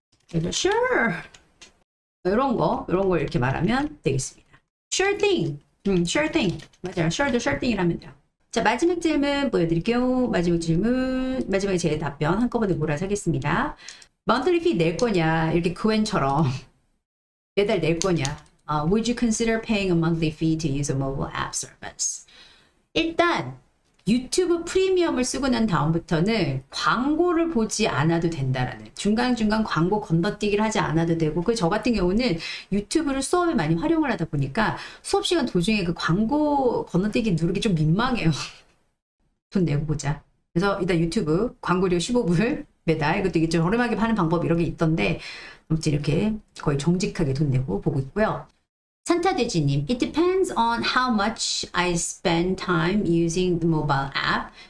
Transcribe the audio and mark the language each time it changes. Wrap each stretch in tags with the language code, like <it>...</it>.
<ko>그래서 sure. 이런 거 이렇게 말하면 되겠습니다.</ko> <en>Sure thing. Sure thing.</en> <ko>맞아요. Sure도 sure thing이라면 돼요. 자, 마지막 질문 보여드릴게요. 마지막 질문. 마지막에 제 답변 한꺼번에 몰아서 하겠습니다. Monthly fee 낼 거냐? 이렇게 구엔처럼. 매달 낼 거냐?</ko> <en>Would you consider paying a monthly fee to use a mobile app service?</en> <ko>일단 유튜브 프리미엄을 쓰고 난 다음부터는 광고를 보지 않아도 된다라는, 중간중간 광고 건너뛰기를 하지 않아도 되고, 그저 같은 경우는 유튜브를 수업에 많이 활용을 하다 보니까 수업 시간 도중에 그 광고 건너뛰기 누르기 좀 민망해요. 돈 내고 보자. 그래서 일단 유튜브 광고료 15불. 매달 그것도 이게 좀 저렴하게 파는 방법 이런 게 있던데 아무튼 이렇게 거의 정직하게 돈 내고 보고 있고요.</ko> <en>산타돼지님, It depends on how much I spend time using the mobile app.</en>